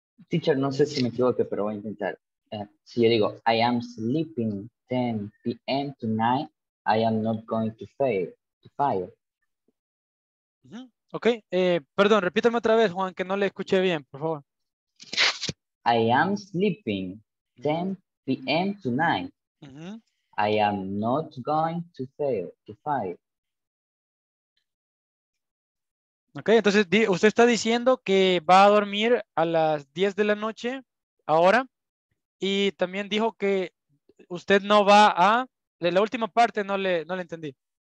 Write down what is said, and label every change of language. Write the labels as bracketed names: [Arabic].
[Spanish] Teacher, no sé si me equivoco, pero voy a intentar. Si yo digo, [English] I am sleeping 10 p.m. tonight, I am not going to fail. Mm-hmm. Okay. [Spanish] Perdón, repítame otra vez, Juan, que no le escuché bien, por favor. [English] I am sleeping 10 p.m. tonight. Mm-hmm. I am not going to fail to fight. [Spanish] Okay, entonces usted está diciendo que va a dormir a las 10 de la noche ahora y también dijo que usted no va a la última parte no le entendí.